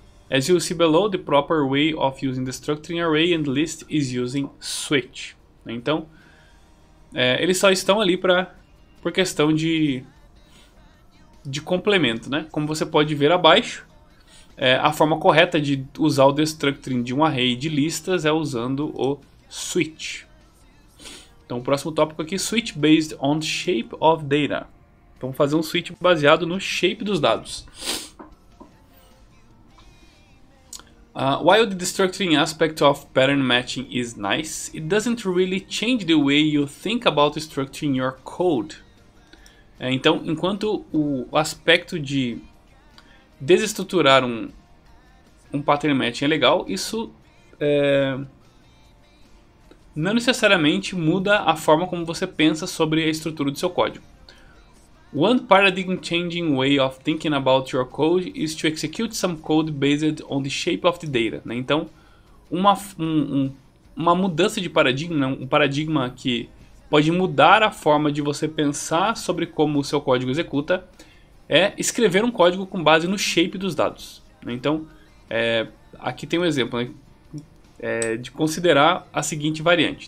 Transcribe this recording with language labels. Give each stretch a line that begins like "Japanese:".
English: As you see below, the proper way of using the structure in array and list is using switch.
Portuguese: Então, eles só estão ali por questão de complemento, né? Como você pode ver abaixo, a forma correta de usar o destructuring de um array de listas é usando o switch. Então, o próximo tópico aqui,
English: switch based on shape of data.
Portuguese: Então, vamos fazer um switch baseado no shape dos dados.
English: While the destructuring aspect of pattern matching is nice, it doesn't really change the way you think about structuring your code.
Portuguese: Então, enquanto o aspecto de desestruturar um pattern matching é legal, isso não necessariamente muda a forma como você pensa sobre a estrutura do seu código.
English: One paradigm-changing way of thinking about your code is to execute some code based on the shape of the data.
Portuguese: Né? Então, uma mudança de paradigma, um paradigma que pode mudar a forma de você pensar sobre como o seu código executa, é escrever um código com base no shape dos dados. Né? Então, aqui tem um exemplo, né? De considerar a seguinte variante.